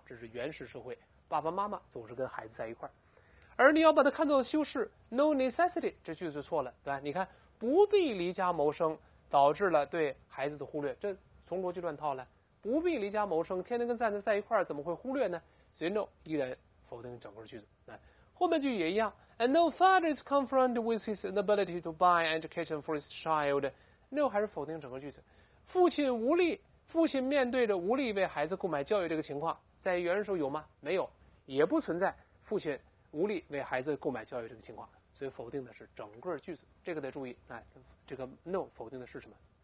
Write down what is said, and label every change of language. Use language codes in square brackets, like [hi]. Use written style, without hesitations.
[zh] 这是原始社会，爸爸妈妈总是跟孩子在一块儿。而你要把它看作修饰 [en] no necessity， [zh] 这句子错了，对吧？你看不必离家谋生导致了对孩子的忽略，这从逻辑乱套了，不必离家谋生，天天跟孩子在一块儿，怎么会忽略呢？所以 no 依然否定整个句子。后面句也一样， [en] and no father is confronted with his inability to buy an education for his child。 [zh] no 还是否定整个句子，父亲无力，父亲面对着无力为孩子购买教育这个情况，在原始时候有吗？没有，也不存在父亲无力为孩子购买教育这个情况，所以否定的是整个句子，这个得注意。这个 no 否定的是什么。